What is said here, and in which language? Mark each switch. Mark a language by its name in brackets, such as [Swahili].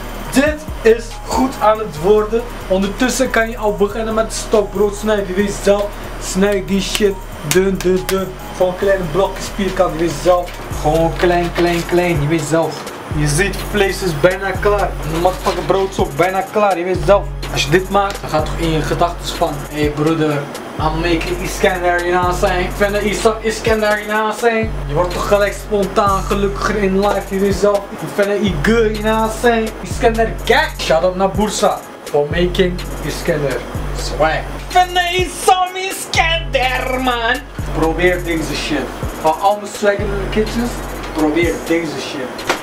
[Dutch] Dit is goed aan het worden. Ondertussen kan je al beginnen met stokbrood snijden. Je weet zelf, snijd die shit dun dun dun. Gewoon kleine blokjes vierkant, je weet zelf. Gewoon klein klein klein, je weet zelf. Je ziet, vlees is bijna klaar. De motherfucking brood is ook bijna klaar, je weet zelf. Als je dit maakt, dan gaat toch in je gedachten van. [English] Hé hey broeder, I'm making Iskender, you know what I'm saying? [Dutch] Ik vind het Iskender, [English] you know what I'm saying? [Dutch] Je wordt toch gelijk spontaan gelukkiger in life, je weet zelf. Ik vind het [English] good, you know what I'm saying? Iskender gek! Shout out naar Bursa for making Iskender. Swag. [Dutch] Ik vind het Iskender, man! Probeer deze shit. Van al mijn swag in de kitchens, probeer deze shit.